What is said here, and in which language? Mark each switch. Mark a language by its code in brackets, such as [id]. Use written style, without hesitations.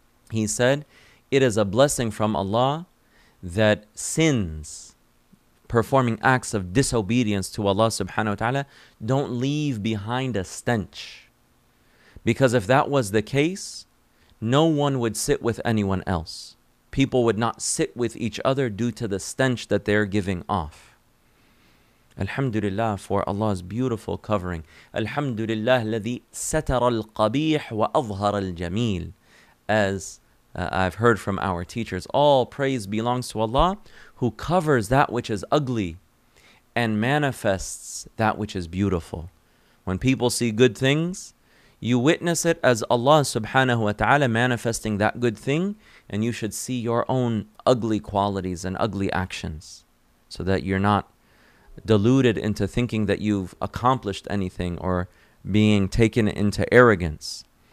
[en] He said, it is a blessing from Allah that sins, performing acts of disobedience to Allah subhanahu wa ta'ala, don't leave behind a stench. Because if that was the case, no one would sit with anyone else. People would not sit with each other due to the stench that they're giving off. Alhamdulillah for Allah's beautiful covering. [ar] Alhamdulillah الذي ستر القبيح وأظهر الجميل. [en] As I've heard from our teachers, all praise belongs to Allah who covers that which is ugly and manifests that which is beautiful. When people see good things, you witness it as Allah subhanahu wa ta'ala manifesting that good thing, and you should see your own ugly qualities and ugly actions so that you're not deluded into thinking that you've accomplished anything or being taken into arrogance.